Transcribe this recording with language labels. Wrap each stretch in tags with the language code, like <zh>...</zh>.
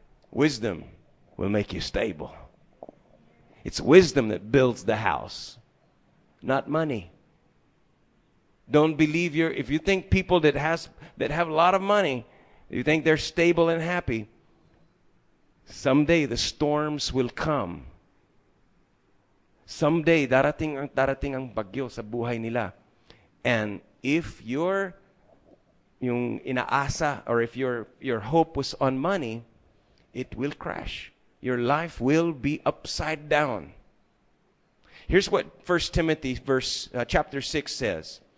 <en>Wisdom will make you stable. It's wisdom that builds the house, not money. Don't believe if you think people that have a lot of money, you think they're stable and happy, someday the storms will come</en> <tl>Someday, darating ang bagyo sa buhay nila.</tl> <en>And if</en> <tl>yung inaasa</tl> <en>or if your hope was on money, it will crash. Your life will be upside down. Here's what 1 Timothy chapter 6 says.</en>